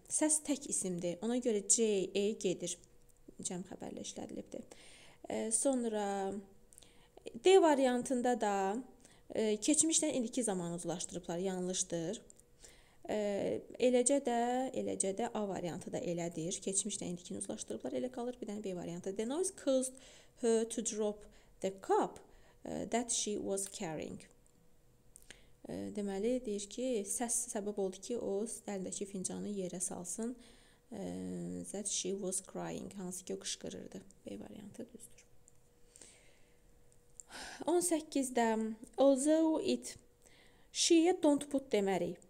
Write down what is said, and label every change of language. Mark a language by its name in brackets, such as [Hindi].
[Azerbaijani] Səs tək isimdir. Ona görə C, E gedir. Cəm xəbərlə işlədilibdir. Sonra D variantında da keçmişdən indiki zamanı uzlaşdırıblar, yanlışdır. Eləcə də A variantı da elədir. Keçmişdən indikini uzlaşdırıblar, elə qalır. Bir dənə B variantı. [English] The noise caused her to drop the cup that she was carrying. [Azerbaijani] Deməli, deyir ki, səs səbəb oldu ki, o əlindəki fincanı yerə salsın. [English] That she was crying. [Azerbaijani] Hansı ki, o qışqırırdı. B variantı düzdür. 18-də [English] although it she don't put [Azerbaijani] deməri.